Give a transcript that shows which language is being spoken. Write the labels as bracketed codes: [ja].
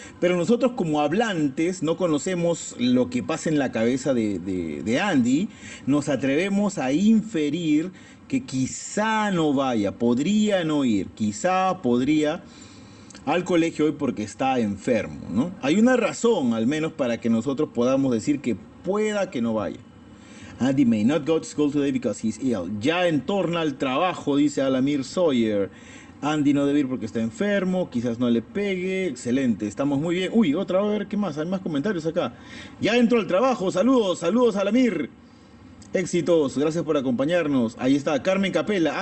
[es] Pero nosotros como hablantes no conocemos lo que pasa en la cabeza de Andy, nos atrevemos a inferir que quizá no vaya, podría no ir, quizá podría al colegio hoy porque está enfermo, ¿no? Hay una razón al menos para que nosotros podamos decir que pueda que no vaya. [en] Andy may not go to school today because he's ill. [es] Ya en torno al trabajo, dice Alamir Sawyer. Andy no debe ir porque está enfermo, quizás no le pegue. Excelente, estamos muy bien. Uy, otra vez, a ver qué más. Hay más comentarios acá. Ya entro al trabajo, saludos, saludos Alamir. Éxitos, gracias por acompañarnos. Ahí está, Carmen Capela.